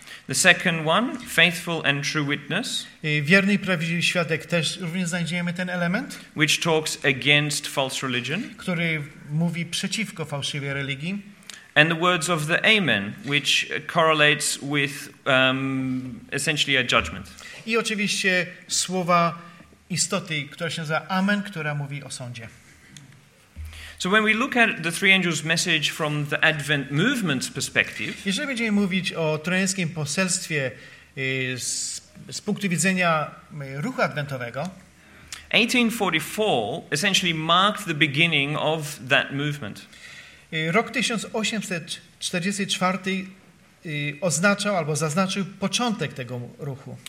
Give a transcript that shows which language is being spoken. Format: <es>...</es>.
<en>The second one, faithful and true witness.</en> <pl>Wierny i prawdziwy świadek, też również znajdziemy ten element.</pl> <en>Which talks against false religion.</en> <pl>Który mówi przeciwko fałszywej religii.</pl> <en>And the words of the Amen, which correlates with essentially a judgment.</en> <pl>I oczywiście słowa istoty, która się nazywa Amen, która mówi o sądzie.</pl> <en>So when we look at the three angels' message from the Advent movement's perspective,</en> <pl>jeżeli będziemy mówić o trojańskim poselstwie z punktu widzenia ruchu adwentowego,</pl> <en>1844 essentially marked the beginning of that movement.</en> <pl>Rok 1844 oznaczał albo zaznaczył początek tego ruchu.</pl>